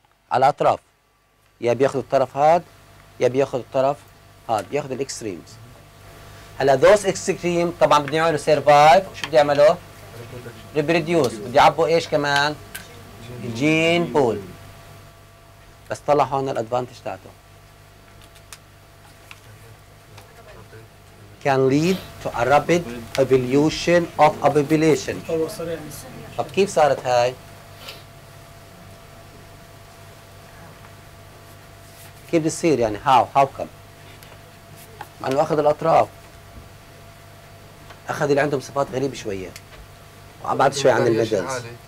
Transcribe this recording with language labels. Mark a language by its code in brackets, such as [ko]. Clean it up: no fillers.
[ar] على الاطراف يا بياخذ الطرف هذا يا بياخذ الطرف هذا بياخذ الاكستريمز هلا [en] those extreme [ar] طبعا بده يعملوا سيرفايف شو بده يعملوا؟ ريبريديوس بده يعبوا ايش كمان؟ الجين بول بس طلع هون الادفانتج تاعته. [en] Can lead to a rapid evolution of a population. [ar] طب كيف صارت هاي؟ كيف بتصير يعني [en] how come؟ [ar] مع انه اخذ الاطراف اخذ اللي عندهم صفات غريبه شويه وابعد شوي عن الميدلز.